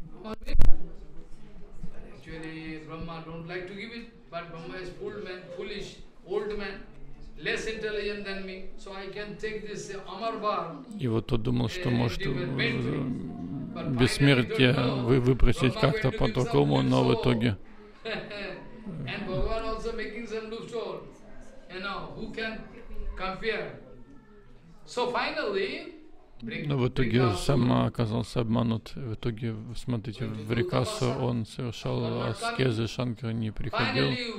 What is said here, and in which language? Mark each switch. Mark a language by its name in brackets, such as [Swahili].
[English] Actually, Brahma don't like to give it, but Brahma is old man, foolish, old man. less intelligent than me, so I can take this amar bar. [Russian] И вот тот думал, что может бессмертие выпросить как-то по-другому, но в итоге. [English] And Bhagavan also making some loops, you know, who can compare? So finally. [Russian] Но в итоге сама оказался обманут. В итоге, смотрите, в Рикасу он совершал аскезы, Шанкар не приходил.